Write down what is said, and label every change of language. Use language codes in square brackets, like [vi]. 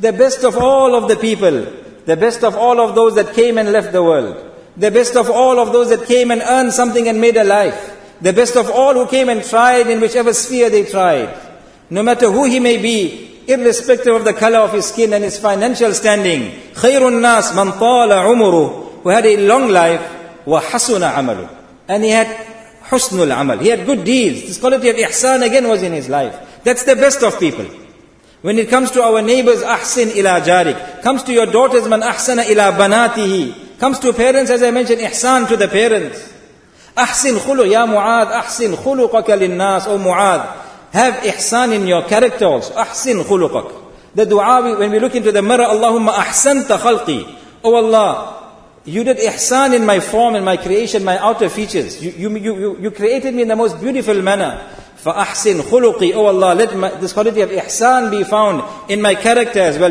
[en] The best of all of the people, the best of all of those that came and left the world, the best of all of those that came and earned something and made a life, the best of all who came and tried in whichever sphere they tried, no matter who he may be, irrespective of the color of his skin and his financial standing, [ar] خَيْرُ النَّاسِ مَنْ طَالَ عُمُرُهُ, [en] who had a long life, [ar] وَحَسُنَ عَمَلُهُ, [en] and he had [ar] حُسْنُ الْعَمَلُ, [en] he had good deeds. This quality of ihsan again was in his life. That's the best of people. When it comes to our neighbors, [ar] أَحْسِنْ إِلَى جَارِكَ, [en] comes to your daughters, [ar] مَنْ أَحْسَنَ إِلَى بَنَاتِهِ, [en] comes to parents, as I mentioned, ihsan to the parents. [ar] أَحْسِنْ خُلُقَ, يَا مُعَاذ, أَحْسِنْ خُلُقَكَ لِلنَّاسِ, [en] O مُعَاذ, have ihsan in your character also. [ar] أحسن خلقك. [en] The dua, when we look into the mirror, [ar] اللهم أحسنت خلقي. [en] Oh Allah, You did ihsan in my form, in my creation, my outer features. You created me in the most beautiful manner. [ar] فَأَحْسِنْ خُلُقِي [en] Oh Allah, let this quality of ihsan be found in my character as well.